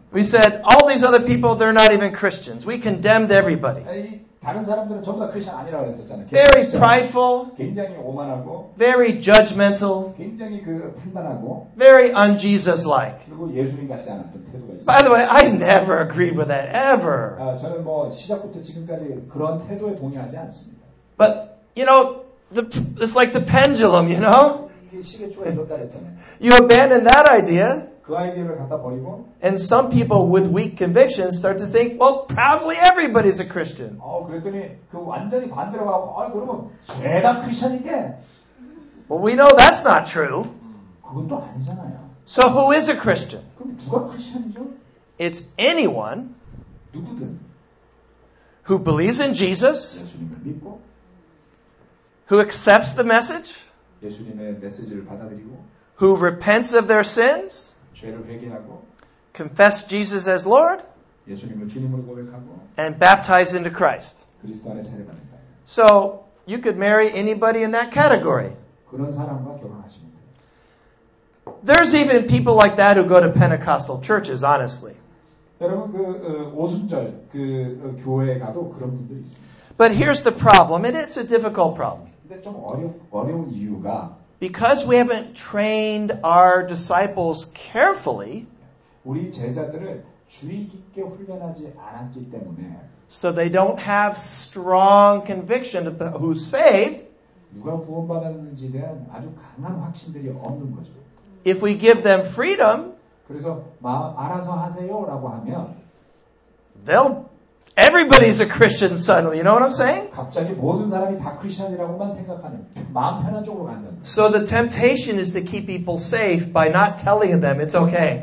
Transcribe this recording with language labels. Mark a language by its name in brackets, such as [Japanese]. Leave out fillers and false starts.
[English] we said, all these other people, they're not even Christians. We condemned everybody. [Korean] 다른 사람들은 전부 다 크리스천 아니라고 했었잖아요. [English] Very prideful. [Korean] 굉장히 오만하고. [English] Very judgmental. [Korean] 굉장히 그 판단하고. [English] Very un-Jesus-like. [Korean] 그리고 예수님 같지 않은 태도가 있어요. [English] By the way, I never agreed with that ever. [Korean] 저는 뭐 시작부터 지금까지 그런 태도에 동의하지 않습니다. [English] But you know, the, it's like the pendulum, you know. [Korean] 이게 시계추가 이렇다 했잖아요. [English] You abandon that idea. [Korean] 그 아이디어를 갖다 버리고. [English] And some people with weak convictions start to think, well, probably everybody's a Christian. [Korean] 그랬더니 그 완전히 반대로 가고, 그러면 죄다 크리스천이게. [English] Well, we know that's not true. [Korean] 그건 또 아니잖아요. [English] So who is a Christian? [Korean] 그럼 누가 크리스천이죠? [English] It's anyone [Korean] 누구든 [English] who believes in Jesus, [Korean] 예수님을 믿고, [English] who accepts the message, [Korean] 예수님의 메시지를 받아들이고, [English] who repents of their sins, [Korean] 죄를 회개하고, [English] confess Jesus as Lord, [Korean] 예수님을 주님으로 고백하고, [English] and baptize into Christ. [Korean] 그리스도 안에 세례 받는다. [English] So you could marry anybody in that category. [Korean] 그런 사람과 결혼하시면 돼요. [English] There's even people like that who go to Pentecostal churches, honestly. [Korean] 여러분, 그 오순절 그 교회에 가도 그런 분들이 있습니다. [English] But here's the problem, and it's a difficult problem. [Korean] 근데 좀 어려운 이유가, [English] because we haven't trained our disciples carefully, [Korean] 우리 제자들을 주의깊게 훈련하지 않았기 때문에, [English] so they don't have strong conviction about who's saved. [Korean] 누가 구원받았는지에 대한 아주 강한 확신들이 없는 거죠. [English] If we give them freedom, [Korean] 그래서 알아서 하세요라고 하면, [English] they'll, everybody's a Christian suddenly. You know what I'm saying? [Korean] 갑자기 모든 사람이 다 크리스천이라고만 생각하는 마음 편한 쪽으로 가는. [English] So the temptation is to keep people safe by not telling them it's okay.